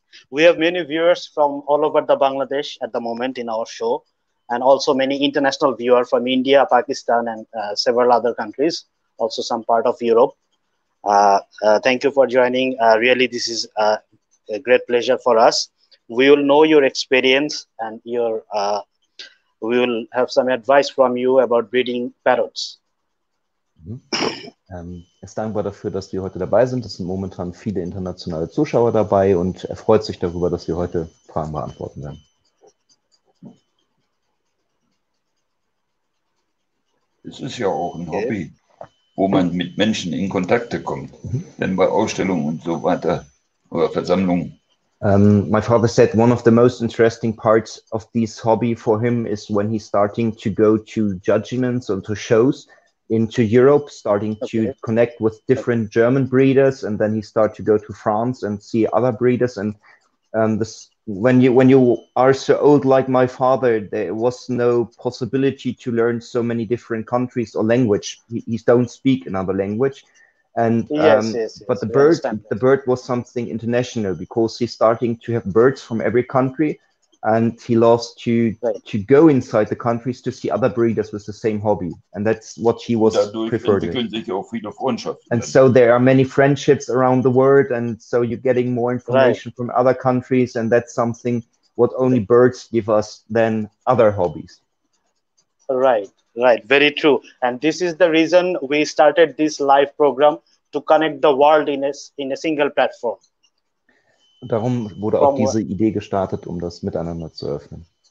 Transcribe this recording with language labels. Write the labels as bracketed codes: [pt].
[en] We have many viewers from all over the Bangladesh at the moment in our show, and also many international viewers from India, Pakistan, and several other countries, also some part of Europe. Thank you for joining. Really, this is a great pleasure for us. We will know your experience, and we will have some advice from you about breeding parrots. [de] Er ist dankbar dafür, dass wir heute dabei sind. Es sind momentan viele internationale Zuschauer dabei und er freut sich darüber, dass wir heute Fragen beantworten werden. Es ist ja auch ein Hobby, wo man mit Menschen in Kontakte kommt, denn bei Ausstellungen und so weiter oder Versammlungen. [en] My father said one of the most interesting parts of this hobby for him is when he's starting to go to judgments or to shows into Europe, starting to connect with different German breeders, and then he start to go to France and see other breeders. And this, when you are so old like my father, there was no possibility to learn so many different countries or language. He don't speak another language. And but the bird was something international, because he's starting to have birds from every country, and he loves to go inside the countries to see other breeders with the same hobby. And that's what he was preferred. And so there are many friendships around the world, and so you're getting more information from other countries, and that's something what only birds give us than other hobbies. Right, very true. And this is the reason we started this live program, to connect the world in a single platform. [de] Darum wurde auch diese Idee gestartet, um das miteinander zu öffnen.